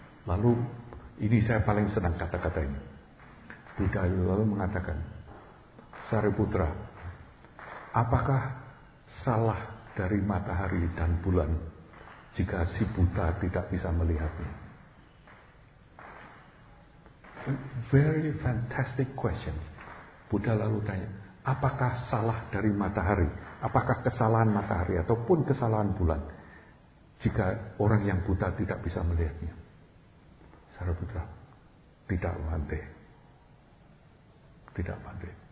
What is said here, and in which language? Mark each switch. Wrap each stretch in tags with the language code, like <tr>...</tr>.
<id>Lalu ini saya paling senang kata-kata ini. Buddha lalu mengatakan, Sariputra, apakah salah dari matahari dan bulan jika si buta tidak bisa melihatnya?</id> <en>A very fantastic question.</en> <id>Buddha lalu tanya, apakah salah dari matahari? Apakah kesalahan matahari ataupun kesalahan bulan jika orang yang buta tidak bisa melihatnya? Sariputra, tidak mandi. Tidak mandi.</id>